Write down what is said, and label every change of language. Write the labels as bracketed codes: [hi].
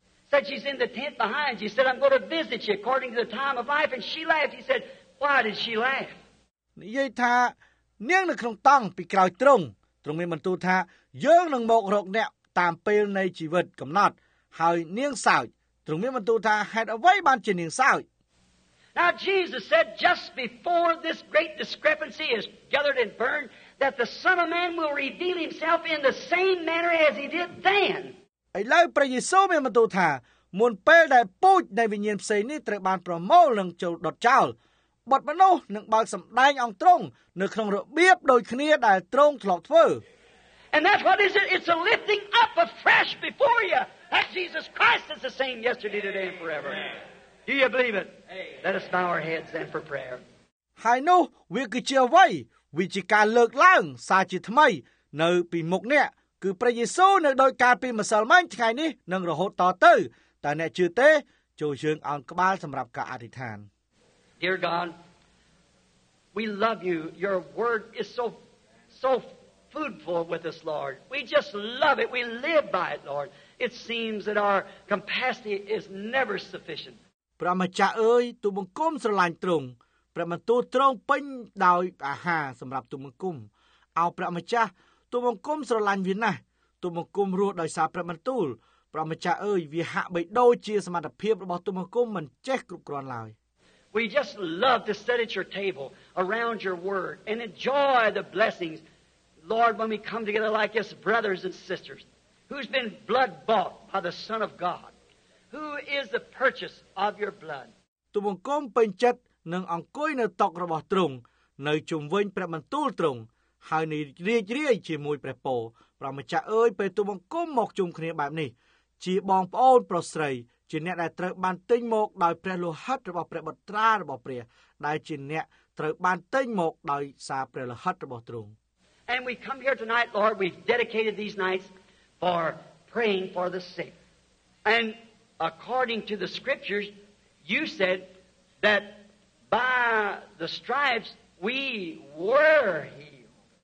[en] said she's in the tent behind you said I'm going to visit you according to the time of life and she laughed he said why did she laugh [km] និយាយថានាងនៅក្នុងតង់ពីក្រោយទ្រង់ទ្រង់មានបន្ទូលថាយើងនឹងមករកអ្នកតាមពេលនៃជីវិតកំណត់ហើយនាងសើចទ្រង់មានបន្ទូលថាហេតុអ្វីបានជានាងសើច [en] Now Jesus said just before this great discrepancy is gathered and burned that the son of man will reveal himself in the same manner as he did then [km] ឥឡូវព្រះយេស៊ូវមានបន្ទូលថាមុនពេលដែលពូជនៃវិញ្ញាណផ្សេងនេះត្រូវបានប្រមូលនិងចូលដុតចោលបុត្រមនុស្សនឹងបើកសម្ដែងអង្គទ្រង់នៅក្នុងរបៀបដូចគ្នាដែលទ្រង់ធ្លាប់ធ្វើ [en] And that's what is it? It's a lifting up afresh before you That Jesus Christ is the same yesterday, today, and forever. Do you believe it? Let us bow our heads then for prayer. [km] ហើយនោះវាគឺជាអ្វីវាជាការលើកឡើងសារជាថ្មីនៅពីមុខអ្នកគឺព្រះយេស៊ូវនៅដោយការពីម្សិលមិញថ្ងៃនេះនឹងរហូតតទៅតើអ្នកជឿទេចូលយើងអង្គក្បាលសម្រាប់ការអធិដ្ឋាន [en] Dear God, we love you. Your word is so fruitful with us, Lord. We just love it. We live by it, Lord. It seems that our capacity is never sufficient. [km] ព្រះម្ចាស់អើយទូបង្គំស្រឡាញ់ទ្រង់ព្រះបន្ទូលទ្រង់ពេញដោយអាហារសម្រាប់ទូបង្គំឱព្រះម្ចាស់ទូបង្គំស្រឡាញ់វាណាស់ទូបង្គំរស់ដោយសារព្រះបន្ទូលព្រះម្ចាស់អើយវាហាក់បីដូចជាសមត្ថភាពរបស់ទូបង្គំមិនចេះគ្រប់គ្រាន់ឡើយ [en] We just love to sit at your table around your word and enjoy the blessings Lord when we come together like this brothers and sisters Who's been blood bought by the Son of God? Who is the purchase of your blood? [km] ទូបង្គំពេញចិត្តនឹងអង្គុយនៅតុករបស់ទ្រង់នៅជុំវិញព្រះបន្ទូលទ្រង់ហើយនឹងរីករាយជាមួយព្រះពរព្រះម្ចាស់អើយពេលទូបង្គំមកជុំគ្នាបែបនេះជាបងប្អូនប្រុសស្រីជាអ្នកដែលត្រូវបានទិញមកដោយព្រះលោហិតរបស់ព្រះបត្រារបស់ព្រះដែលជាអ្នកត្រូវបានទិញមកដោយសារព្រះលោហិតរបស់ទ្រង់ [en] And we come here tonight Lord we've dedicated these nights for praying for the sick and according to the scriptures you said that by the stripes we were healed